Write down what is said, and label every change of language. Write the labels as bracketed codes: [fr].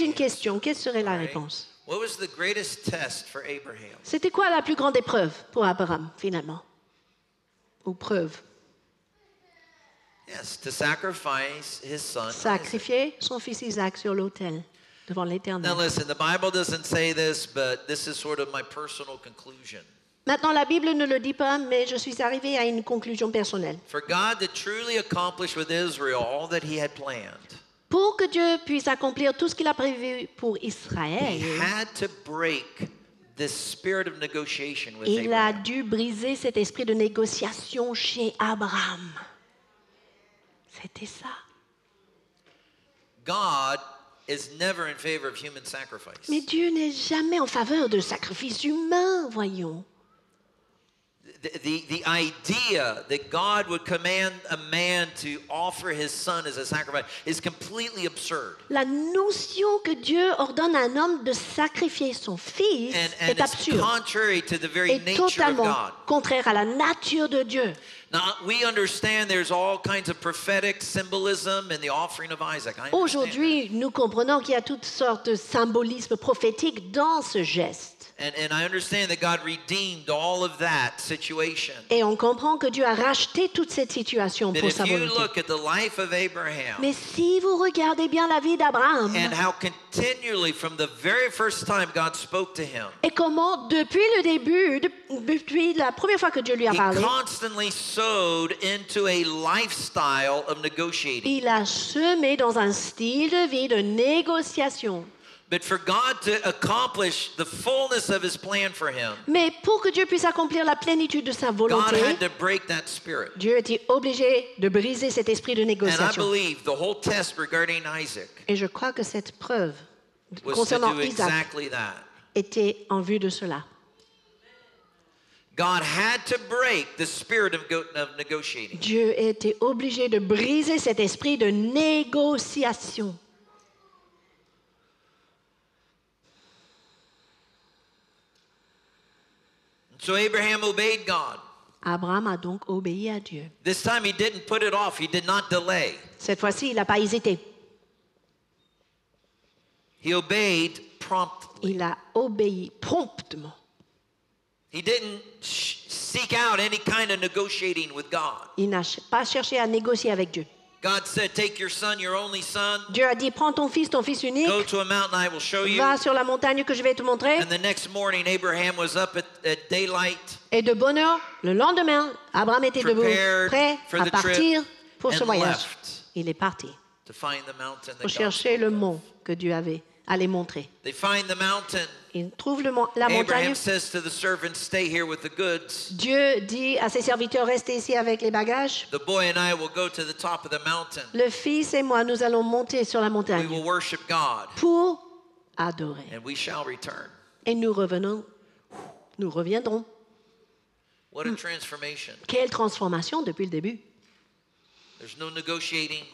[fr] Une question, quelle serait la [en] right. [fr] réponse? [en] What was the greatest test for Abraham? [fr] C'était quoi la plus grande épreuve pour Abraham, finalement? Ou preuve? [en] Yes, to sacrifice his son. [fr] Sacrifier son fils Isaac sur l'autel devant l'Éternel. [en] Now listen, the Bible doesn't say this, but this is sort of my personal conclusion. [fr] Maintenant, la Bible ne le dit pas, mais je suis arrivé à une conclusion personnelle. [en] For God to truly accomplish with Israel all that he had planned. [fr] Pour que Dieu puisse accomplir tout ce qu'il a prévu pour Israël, [en] He had to break this spirit of negotiation with [fr] Abraham. Il a dû briser cet esprit de négociation chez Abraham. C'était ça. [en] God is never in favor of human sacrifice. [fr] Mais Dieu n'est jamais en faveur de sacrifice humain, voyons. [en] The idea that God would command a man to offer his son as a sacrifice is completely absurd. [fr] La notion que Dieu ordonne à un homme de sacrifier son fils est absurde. [en] It's contrary to the very nature of God. [fr] Totalement contraire à la nature de Dieu. [en] Now, we understand there's all kinds of prophetic symbolism in the offering of Isaac. [fr] Aujourd'hui, nous comprenons qu'il y a toutes sortes de symbolisme prophétique dans ce geste. [en] And I understand that God redeemed all of that situation. [fr] Et on comprend que Dieu a racheté toute cette situation pour sa volonté. [en] But if you look at the life of Abraham, [fr] mais si vous regardez bien la vie d'Abraham, [en] and how continually from the very first time God spoke to him, [fr] et comment depuis le début, depuis la première fois que Dieu lui a parlé, [en] he constantly sowed into a lifestyle of negotiating. [fr] Il a semé dans un style de vie de négociation. [en] But for God to accomplish the fullness of his plan for him, [fr] mais pour que Dieu puisse accomplir la plénitude de sa volonté, [en] God had to break that spirit. [fr] Dieu était obligé de briser cet esprit de négociation. [en] And I believe the whole test regarding Isaac, [fr] et je crois que cette preuve [en] was [fr] concernant [en] to do exactly that. [fr] Était en vue de cela. [en] God had to break the spirit of negotiating. [fr] Dieu était obligé de briser cet esprit de négociation. [en] So Abraham obeyed God. [fr] Abraham a donc obéi à Dieu. [en] This time he didn't put it off. He did not delay. [fr] Cette fois-ci, il n'a pas hésité. [en] He obeyed promptly. [fr] Il a obéi promptement. [en] He didn't seek out any kind of negotiating with God. [fr] Il n'a pas cherché à négocier avec Dieu. [en] God said, "Take your son, your only son." [fr] Dieu a dit, prends ton fils unique. [en] Go to a mountain, I will show you. [fr] Va sur la montagne que je vais te montrer. [en] And the next morning, Abraham was up at daylight. [fr] Et de bonne heure, le lendemain, Abraham était debout, prêt à partir pour ce voyage. Il est parti. [en] To find the mountain that [fr] pour chercher [en] God [fr] le mont que Dieu avait allait montrer. [en] They find the mountain. [fr] Ils trouvent le mont, la montagne. [en] Abraham says to the servants, "Stay here with the goods." [fr] Dieu dit à ses serviteurs, restez ici avec les bagages. [en] The boy and I will go to the top of the mountain. [fr] Le fils et moi, nous allons monter sur la montagne. [en] We will worship God. [fr] Pour adorer. [en] And we shall return. [fr] Et nous revenons. Nous reviendrons. [en] What a transformation. [fr] Quelle transformation depuis le début. [en] There's no negotiating.